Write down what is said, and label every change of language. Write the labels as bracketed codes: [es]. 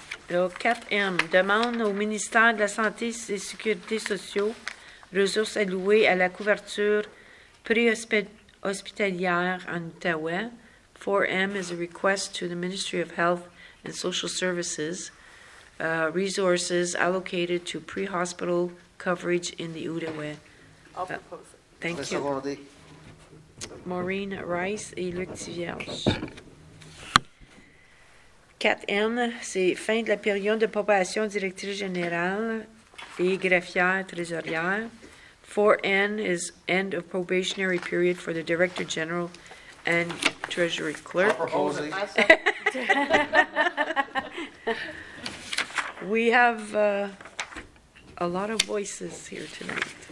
[fr] Donc, 4M, demande au ministère de la Santé et Sécurité sociale ressources allouées à la couverture préhospitalière en Outaouais. [en] 4M is a request to the Ministry of Health and Social Services, resources allocated to pre-hospital coverage in the Outaouais. I'll propose it. Thank you. Maureen Rice et Luc Thivierge. [fr] 4N, c'est fin de la période de probation directrice générale et greffière trésorière. [en] 4N is end of probationary period for the director general and treasury clerk. I propose it. We have a lot of voices here tonight.